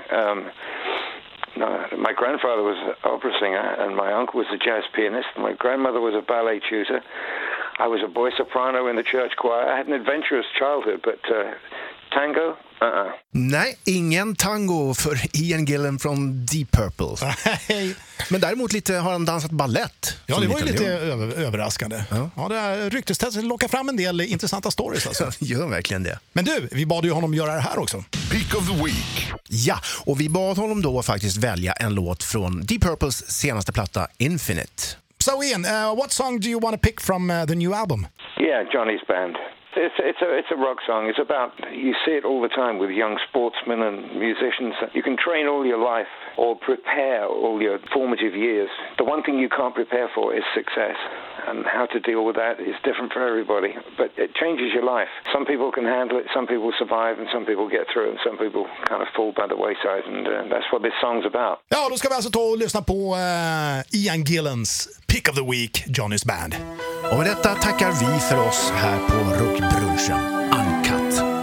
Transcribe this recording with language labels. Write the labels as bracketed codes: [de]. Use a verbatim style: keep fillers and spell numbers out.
[en] Um, no, my grandfather was an opera singer and my uncle was a jazz pianist. My grandmother was a ballet tutor. I was a boy soprano in the church choir. I had an adventurous childhood, but... Uh, Tango? Uh-uh. [sv] Nej, ingen tango för Ian Gillan från Deep Purple. Nej. Men däremot lite har han dansat ballett. Ja, det var ju lite över, överraskande. Ja, ja, det här ryktestestet lockar fram en del intressanta stories. Alltså. Gör verkligen det. Men du, vi bad ju honom göra det här också. [en] Pick of the Week. [sv] Ja, och vi bad honom då faktiskt välja en låt från Deep Purples senaste platta Infinite. [en] So Ian, uh, what song do you want to pick from uh, the new album? Yeah, Johnny's Band. It's it's a it's a rock song. It's about, you see it all the time with young sportsmen and musicians. You can train all your life or prepare all your formative years. The one thing you can't prepare for is success, and how to deal with that is different for everybody. But it changes your life. Some people can handle it, some people survive, and some people get through, and some people kind of fall by the wayside. And uh, that's what this song's about. [sv] Ja, då ska vi alltså ta och lyssna på uh, Ian Gillans Pick of the Week, Johnny's Band. Och med detta tackar vi för oss här på Rockbrunchen Uncut.